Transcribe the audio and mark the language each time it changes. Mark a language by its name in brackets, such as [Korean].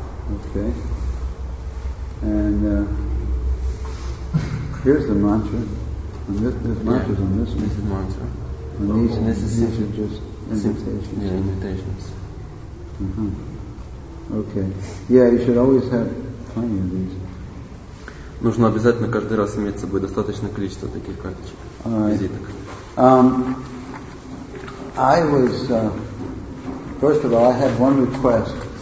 [English] Okay. And here's the mantra. And this mantra is on this one. This is mantra. And these are just invitations. Yeah, invitations. Mm-hmm. Okay. Yeah, you should always have plenty of these. [Russian] Нужно обязательно каждый раз иметь с собой достаточное количество таких карточек, визиток. I was, first of all, I had one request.